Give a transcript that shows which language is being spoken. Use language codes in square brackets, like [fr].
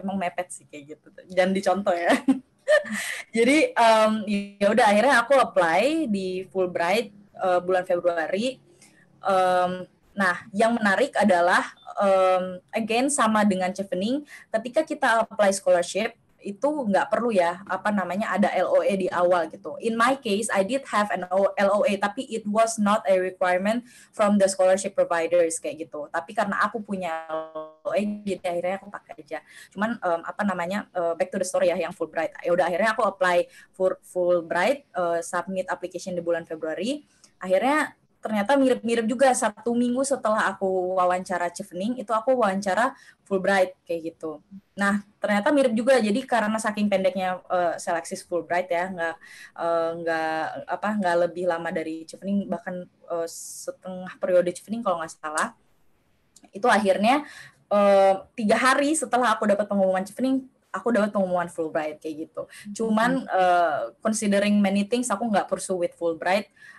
[id] Emang mepet sih kayak gitu. Jangan dicontoh ya. Jadi ya udah akhirnya aku apply di Fulbright bulan Februari. Nah, yang menarik adalah again sama dengan Chevening, ketika kita apply scholarship itu nggak perlu ya ada LOA di awal gitu. [en] In my case, I did have an LOA, [id] tapi [en] it was not a requirement from the scholarship providers [id] kayak gitu. Tapi karena aku punya LOA, jadi akhirnya aku pakai aja. Cuman [en] back to the story [id] ya, yang Fulbright. Ya udah akhirnya aku [en] apply for Fulbright, submit application [id] di bulan Februari. Akhirnya ternyata mirip-mirip juga satu minggu setelah aku wawancara Chevening, itu aku wawancara Fulbright kayak gitu. Nah, ternyata mirip juga. Jadi karena saking pendeknya seleksi Fulbright ya, nggak lebih lama dari Chevening, bahkan setengah periode Chevening kalau nggak salah. Itu akhirnya 3 hari setelah aku dapat pengumuman Chevening, aku dapat pengumuman Fulbright kayak gitu. Cuman [en] considering many things, [id] aku nggak [en] pursue with Fulbright.